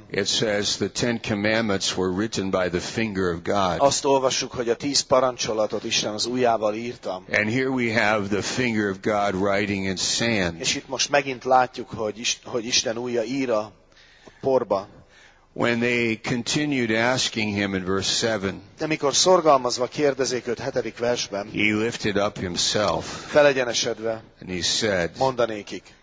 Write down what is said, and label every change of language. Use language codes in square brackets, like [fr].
[en] it says the Ten Commandments were written by the finger of God. [hu] Azt olvassuk, hogy a tíz parancsolatot Isten az ujjával írta. [en] And here we have the finger of God writing in sand. [hu] És itt most megint látjuk, hogy Isten ujja ír a porba. [en] When they continued asking him in verse 7, [hu] de mikor szorgalmazva kérdezik őt 7. versben, [en] he lifted up himself, [hu] felegyenesedve, [en] and he said, [hu] mondanékik,